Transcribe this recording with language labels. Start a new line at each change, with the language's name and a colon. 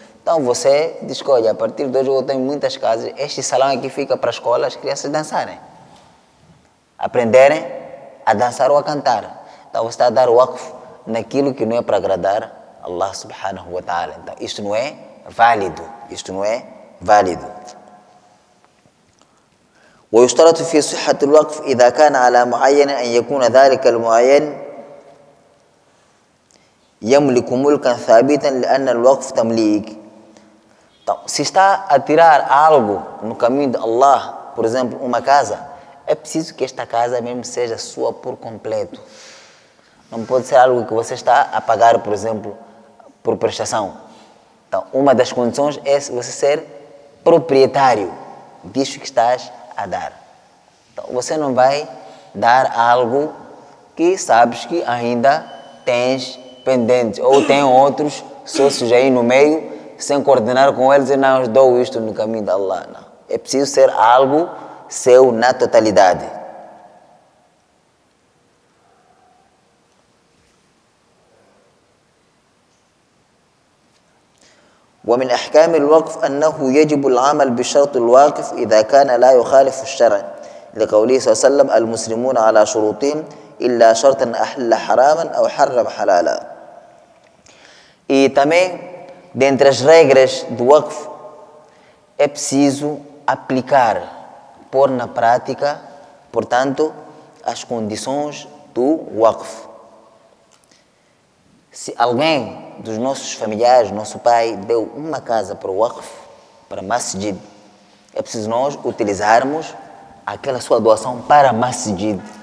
Portuguese: Então você escolhe, a partir de hoje eu tenho muitas casas, este salão aqui fica para a escola as crianças dançarem, aprenderem a dançar ou a cantar. Então você está a dar waqf naquilo que não é para agradar Allah subhanahu wa ta'ala. Então isto não é válido, isto não é válido.
Arabic: ويشترط في صحة الوقف إذا كان على معين أن يكون ذلك المعين يملك ملكا ثابتا لأن الوقف تمليك.
Portuguese: Então, se está a tirar algo no caminho de Allah, por exemplo, uma casa, é preciso que esta casa mesmo seja sua por completo. Não pode ser algo que você está a pagar, por exemplo, por prestação. Então, uma das condições é você ser proprietário disso que estás a dar. Então, você não vai dar algo que sabes que ainda tens pendentes ou tem outros sócios aí no meio sem coordenar com eles e não dou isto no caminho de Allah. Não. É preciso ser algo seu na totalidade.
Arabic: ومن احكام الوقف انه يجب العمل بشرط الواقف اذا كان لا يخالف الشرع لقوله صلى الله عليه وسلم المسلمون على شروطهم الا شرطا احل حراما او حرم حلالا.
Portuguese: E também dentre as regras do waqf é preciso aplicar, pôr na prática, portanto, as condições do waqf. Se alguém dos nossos familiares, nosso pai, deu uma casa para o waqf, para masjid, é preciso nós utilizarmos aquela sua doação para masjid.